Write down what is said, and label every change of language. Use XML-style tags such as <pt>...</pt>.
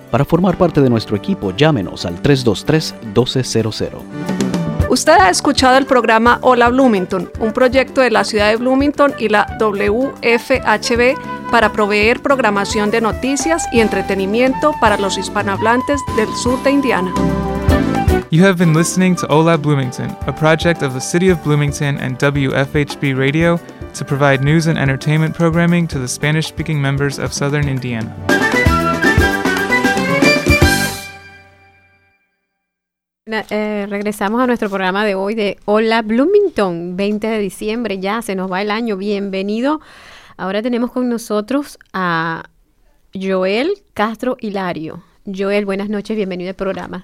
<es>Para formar parte de nuestro equipo, llámenos al 323-1200. Usted ha escuchado el programa Hola Bloomington, un proyecto de la ciudad de Bloomington y la WFHB para proveer programación de noticias y entretenimiento para los hispanohablantes del sur de Indiana.</es> <en>You have been listening to Hola Bloomington, a project of the City of Bloomington and WFHB Radio to provide news and entertainment programming to the Spanish-speaking members of Southern Indiana.</en> <es>Regresamos a nuestro programa de hoy de Hola Bloomington, 20 de diciembre, ya se nos va el año, bienvenido. Ahora tenemos con nosotros a Joel Castro Hilario. Joel, buenas noches, bienvenido al programa.</es>